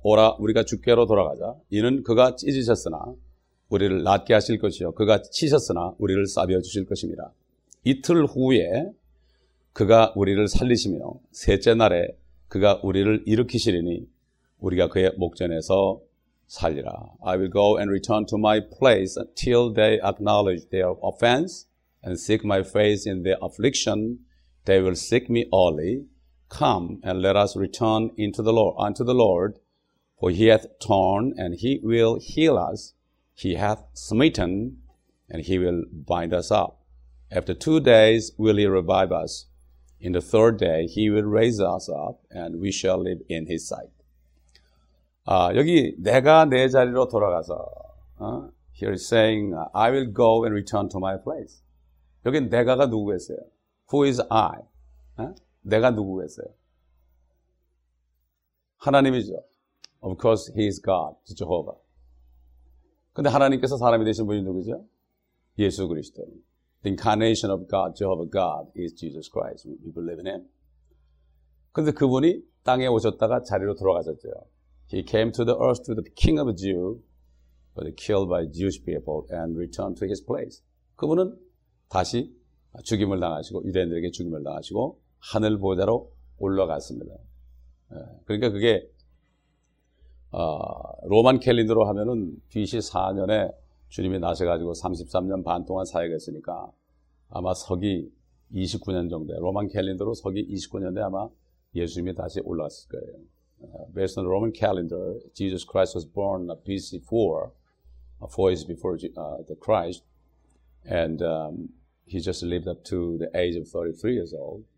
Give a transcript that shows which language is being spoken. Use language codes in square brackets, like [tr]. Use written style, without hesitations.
[ko] 오라 우리가 주께로 돌아가자. 이는 그가 찢으셨으나 우리를 낫게 하실 것이요 그가 치셨으나 우리를 싸매어 주실 것입니다. 이틀 후에 그가 우리를 살리시며 셋째 날에 그가 우리를 일으키시리니 우리가 그의 목전에서 살리라. [en] I will go and return to my place until they acknowledge their offense and seek my face in their affliction. They will seek me early. Come and let us return into the Lord, unto the Lord, for he hath torn and he will heal us. He hath smitten and he will bind us up. After 2 days will he revive us. In the third day he will raise us up and we shall live in his sight. [ko] 여기 내가 내 자리로 돌아가서 [en] Here is saying I will go and return to my place. [ko] 여기 내가가 누구겠어요? [en] Who is I? [ko] 내가 누구겠어요? 하나님이죠. [en] Of course he is God, Jehovah. [ko] 근데 하나님께서 사람이 되신 분이 누구죠? 예수 그리스도. [en] The incarnation of God, Jehovah God is Jesus Christ. We believe in him. [ko] 근데 그분이 땅에 오셨다가 자리로 돌아가셨죠. [en] He came to the earth to the king of Jew, but killed by Jewish people and returned to his place. [ko] 그분은 다시 죽임을 당하시고 유대인들에게 죽임을 당하시고 하늘 보좌로 올라갔습니다. 그러니까 그게 로만 캘린더로 하면은 BC 4년에 주님이 나셔가지고 33년 반 동안 사역했으니까 아마 서기 29년 정도에 로만 캘린더로 서기 29년에 아마 예수님이 다시 올라왔을 거예요. [en] Based on the Roman calendar, Jesus Christ was born BC 4, 4 years before the Christ, and he just lived up to the age of 33 years old.